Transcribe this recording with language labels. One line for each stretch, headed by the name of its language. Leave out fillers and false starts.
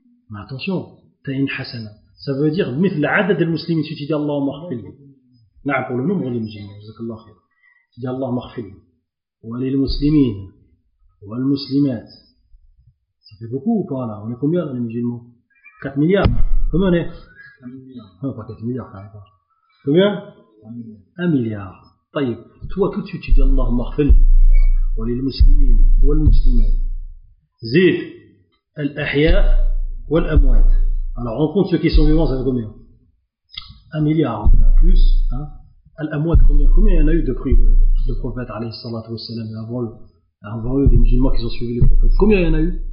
French: mais attention t'as une hasana ça veut dire
Arabic: مثل عدد المسلمين
French: si tu dis
Arabic: اللهم اغفر لي نعم
French: pour le nombre des musulmans
Arabic: جزاك الله خير
French: tu dis
Arabic: اللهم اغفر لي وللمسلمين والمسلمات
French: ça fait beaucoup ou pas là on est combien là, les musulmans 4 milliards combien on est 4 milliards non pas 4 milliards combien 1 milliard.
Arabic: طيب,
French: toi tout de suite tu dis
Arabic: اللهم اغفر لي وللمسلمين والمسلمات زيد الاحياء والاموات.
French: Alors on compte ceux qui sont vivants, ça fait combien? 1 milliard plus, hein?
Arabic: الاموات
French: combien il y en a eu depuis le prophète
Arabic: عليه الصلاة والسلام
French: avant eux les musulmans qui ont suivi le prophète, combien il y en a eu?